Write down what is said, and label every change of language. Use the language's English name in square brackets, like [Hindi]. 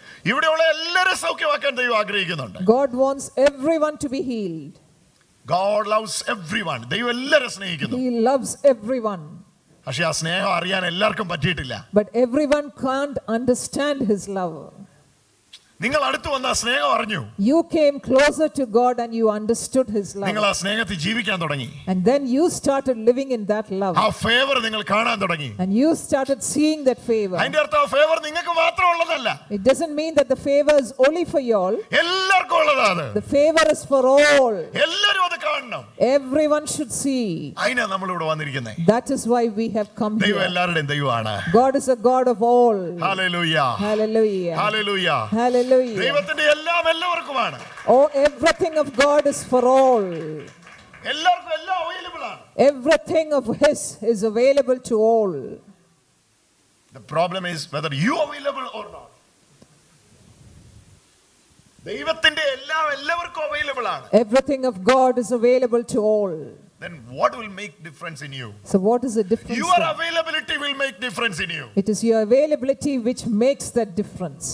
[Malayalam] ഇവിടെ ഉള്ള എല്ലാവരെയും സൗഖ്യമാക്കാൻ ദൈവം ആഗ്രഹിക്കുന്നുണ്ട്. [English] God wants everyone to be healed. God loves everyone. [Malayalam] ദൈവം എല്ലാവരെയും സ്നേഹിക്കുന്നു. [English] He loves everyone. [Malayalam] പക്ഷേ ആ സ്നേഹം അറിയാൻ എല്ലാവർക്കും പറ്റിയിട്ടില്ല. [English] But everyone can't understand his love. [Malayalam] നിങ്ങൾ അടുത്തു വന്ന സ്നേഹം അറിഞ്ഞു. [English] You came closer to God and you understood his love. [Malayalam] നിങ്ങൾ ആ സ്നേഹത്തിൽ ജീവിക്കാൻ തുടങ്ങി. [English] And then you started living in that love. [Malayalam] ആ ഫേവർ നിങ്ങൾ കാണാൻ തുടങ്ങി. [English] And you started seeing that favor. [Malayalam] അതിന്റെ അർത്ഥം ആ ഫേവർ നിങ്ങൾക്ക് മാത്രം ഉള്ളതല്ല. [English] It doesn't mean that the favor is only for you all. [Malayalam] എല്ലാവർക്കും ഉള്ളതാണ്. [English] The favor is for all. [Malayalam] എല്ലാവരും അത് കാണണം. [English] Everyone should see. [Malayalam] അതിനാ നമ്മൾ ഇവിടെ വന്നിരിക്കുന്നത്. [English] That is why we have come here. [Malayalam] ദൈവം എല്ലാവരുടെയും ദൈവമാണ്. [English] God is a God of all. Hallelujah. Hallelujah. Hallelujah. Hallelujah. [Malayalam] ദൈവത്തിന്റെ എല്ലാം എല്ലാവർക്കുമാണ്. [English] Oh, everything of God is for all. [Malayalam] എല്ലാവർക്കും എല്ലാം available ആണ്. [English] Everything of his is available to all. The problem is whether you are available or not. [Malayalam] ദൈവത്തിന്റെ എല്ലാം എല്ലാവർക്കും available ആണ്. [English] Everything of God is available to all. Then what will make difference in you? So what is the difference? Your availability will make difference in you. It is your availability which makes that difference.